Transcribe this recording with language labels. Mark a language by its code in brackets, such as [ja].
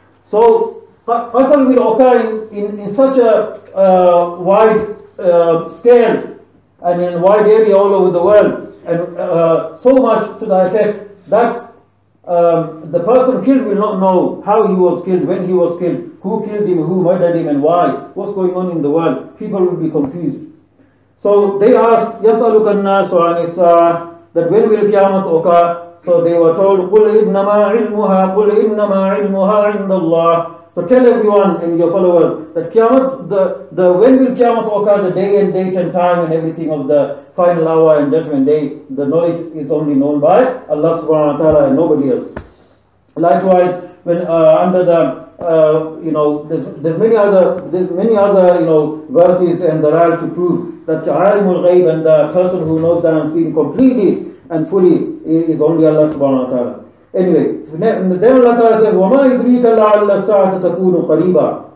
[en] So, qatl will occur in such a wide scale and in wide area all over the world, and so much to the effect that the person killed will not know how he was killed, when he was killed, who killed him, who murdered him, and why, what's going on in the world. People will be confused. So they asked, [ar] يَسْأَلُكَ النَّاسُ عَنِ السَّاعَةِ, [en] that when will Qiyamah occur? So they were told, [ar] قُلْ إِنَّمَا عِلْمُهَا عِنْدَ اللَّهِ. [en] So tell everyone and your followers that Qiyamah, the when will Qiyamah occur, the day and date and time and everything of the final hour and judgment day, the knowledge is only known by Allah subhanahu wa ta'ala and nobody else. Likewise, when under the there's many other verses and the rail to prove that Alimul Ghaib and the person who knows the unseen completely and fully is only Allah subhanahu wa ta'ala. Anyway, then Allah ta'ala says, [ar] وَمَا يُدْرِيكَ لَعَلَّ السَّاعَةَ تَكُونُ قَرِيبًا.